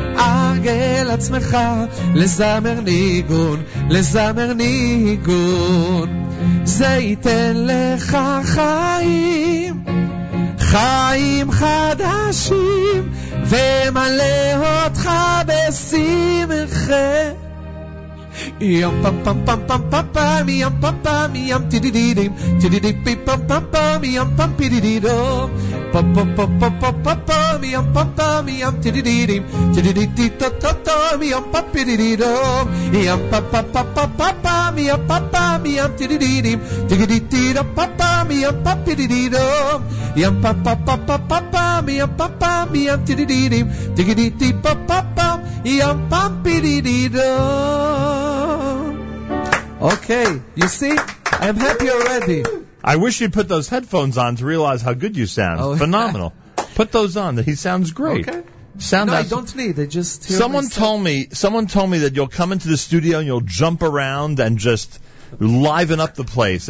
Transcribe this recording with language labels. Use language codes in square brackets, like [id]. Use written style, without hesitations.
[he] ארגל עצמך לזמר ניגון, לזמר ניגון. זה ייתן לך חיים, חיים חדשים, ומלא אותך בשמחה. Yam pam pam pam pam pam pam yam pam pam yam ti di di di ti di di pi pam pam pam yam pam pi di di do pam pam pam pam pam pam yam pam pam yam ti di di di ti di di ti ta ta ta yam pam pi di di do yam pam pam pam pam pam yam pam pam yam ti di di di ti di di ti ta pam pam yam pam pi di di do yam pam pam pam pam pam yam pam pam yam ti di di di ti di di ti pam pam pam yam pam pi di di do. [en] Okay, you see, I'm happy already. I wish you'd put those headphones on to realize how good you sound. Oh, phenomenal. Put those on. He sounds great. Okay. Sound no, I don't need. I just hear someone myself. Someone told me that you'll come into the studio and you'll jump around and just liven up the place.